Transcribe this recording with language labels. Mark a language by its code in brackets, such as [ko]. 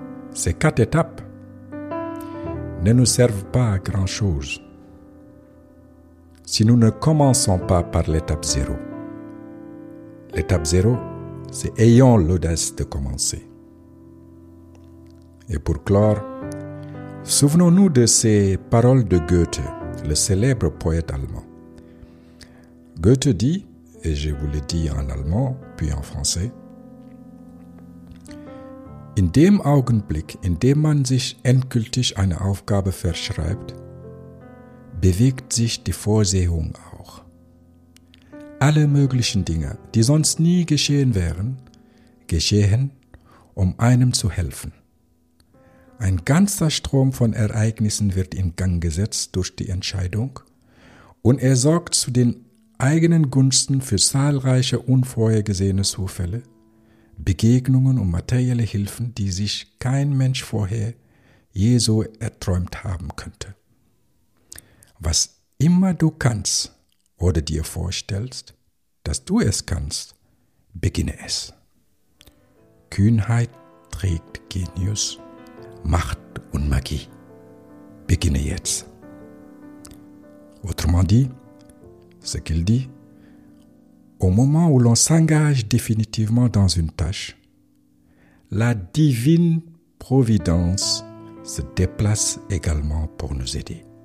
[fr] Ces 4 étapes ne nous servent pas à grand-chose si nous ne commençons pas par l'étape 0. L'étape 0, c'est ayons l'audace de commencer. Et pour clore, souvenons-nous de ces paroles de Goethe, le célèbre poète allemand. Goethe dit, et je vous le dis en allemand, puis en français, [de] « In dem Augenblick, in dem man sich endgültig eine Aufgabe verschreibt, bewegt sich die Vorsehung auch. Alle möglichen Dinge, die sonst nie geschehen wären, geschehen, um einem zu helfen. Ein ganzer Strom von Ereignissen wird in Gang gesetzt durch die Entscheidung und er sorgt zu den eigenen Gunsten für zahlreiche unvorhergesehene Zufälle, Begegnungen und materielle Hilfen, die sich kein Mensch vorher je so erträumt haben könnte. Was immer du kannst oder dir vorstellst, dass du es kannst, beginne es. Kühnheit trägt Genius, Macht und Magie. Beginne jetzt. [fr] Autrement dit, ce qu'il dit, au moment où l'on s'engage définitivement dans une tâche, la divine providence se déplace également pour nous aider.